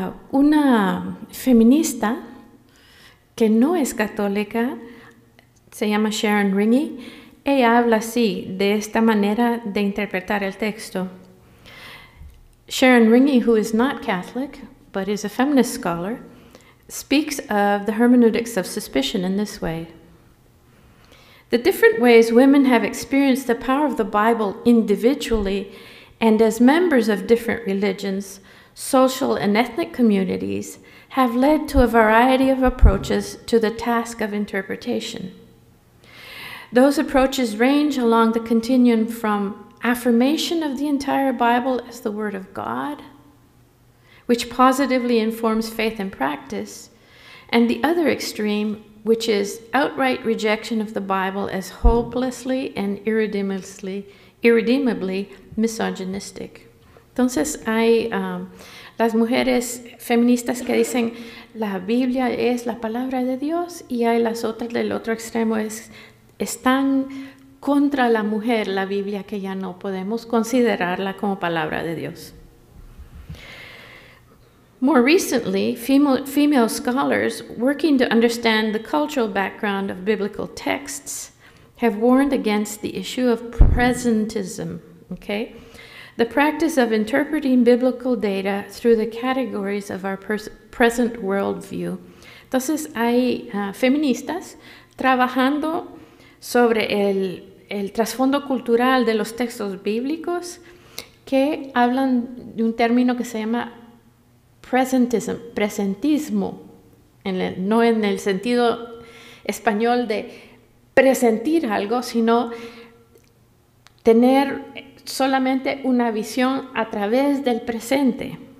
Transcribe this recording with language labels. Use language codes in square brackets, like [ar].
[es] Una feminista que no es católica, se llama Sharon Ringy, ella habla así, de esta manera de interpretar el texto. [en] Sharon Ringy, who is not Catholic, but is a feminist scholar, speaks of the hermeneutics of suspicion in this way. The different ways women have experienced the power of the Bible individually and as members of different religions, social and ethnic communities have led to a variety of approaches to the task of interpretation. Those approaches range along the continuum from affirmation of the entire Bible as the Word of God, which positively informs faith and practice, and the other extreme, which is outright rejection of the Bible as hopelessly and irredeemably misogynistic. [es] Entonces, hay las mujeres feministas que dicen la Biblia es la palabra de Dios, y hay las otras del otro extremo, están contra la mujer la Biblia, que ya no podemos considerarla como palabra de Dios. [en] More recently, female scholars working to understand the cultural background of biblical texts have warned against the issue of presentism, okay? The practice of interpreting biblical data through the categories of our present worldview. [es] Entonces, hay feministas trabajando sobre el trasfondo cultural de los textos bíblicos que hablan de un término que se llama presentismo, no en el sentido español de presentir algo, sino tener solamente una visión a través del presente.